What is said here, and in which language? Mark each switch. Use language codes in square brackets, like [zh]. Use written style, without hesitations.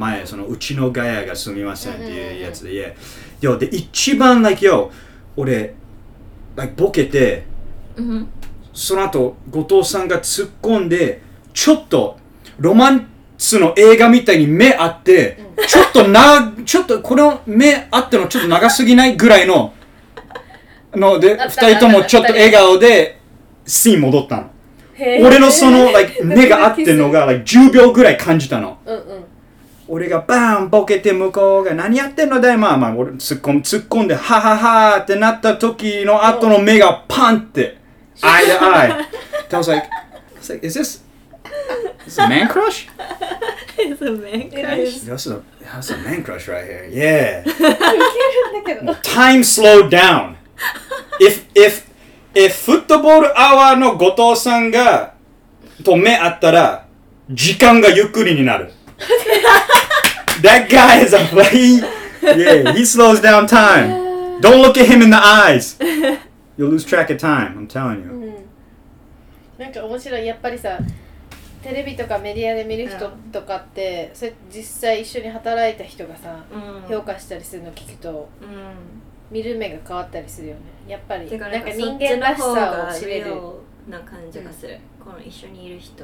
[ja] 前そのうちのガヤがすみませんっていうやつで、うんうんうん、yeah で一番 like yo 俺 like ボケてその後後藤さんが突っ込んでちょっとロマンスの映画みたいに目合って、うん、ちょっとなちょっとこの目合ってのちょっと長すぎないぐらいのので二人ともちょっと笑顔でシーン戻ったの。俺のその、like、目が合ってのが、like、10秒ぐらい感じたの、うんうん、俺がバーンボケて向こうが何やってんのだよ、まあまあ、俺突っ込んでハハハってなった時の後の目がパンって [en] eye to eye. That was like, is this a man crush? It's a man crush. That's a man crush right here. Yeah. Time slowed down. [ja] If football hour の後藤さんがと目合ったら時間がゆっくりになる。 [en] That guy is a very Yeah, he slows down time. Don't look at him in the eyes. You'll lose track of time, I'm telling you. [ja] なんか面白い、やっぱりさ、テレビとかメディアで見る人とかって、それ実際一緒に働いた人がさ、評価したりするの聞くと、見る目が変わったりするよね。やっぱり、なんか人間らしさを知れるな感じがする。この一緒にいる人